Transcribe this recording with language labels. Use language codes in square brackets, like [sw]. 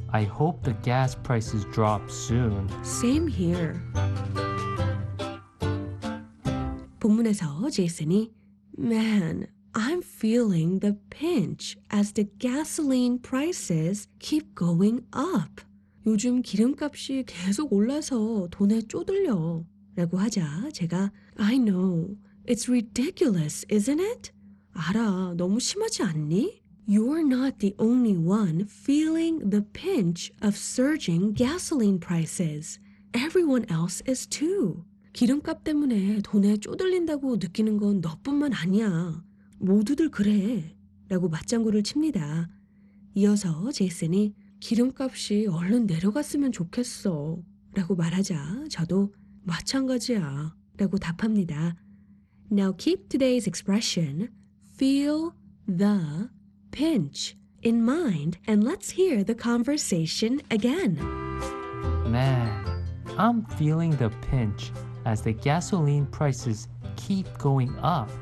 [en] I hope the gas prices drop soon. Same here. [ko] 본문에서 제이슨이, [en] Man, I'm feeling the pinch as the gasoline prices keep going up. [ko] 요즘 기름값이 계속 올라서 돈에 쪼들려. 라고 하자 제가, [en] I know, it's ridiculous, isn't it? [ko] 알아, 너무 심하지 않니? [en] You're not the only one feeling the pinch of surging gasoline prices. Everyone else is too. [ko] 기름값 때문에 돈에 쪼들린다고 느끼는 건 너뿐만 아니야. 모두들 그래. 라고 맞장구를 칩니다. 이어서 제이슨이 기름값이 얼른 내려갔으면 좋겠어. 라고 말하자 저도 마찬가지야. 라고 답합니다. [en] Now keep today's expression, feel the pinch, in mind, and let's hear the conversation again. Man, I'm feeling the pinch as the gasoline prices keep going up.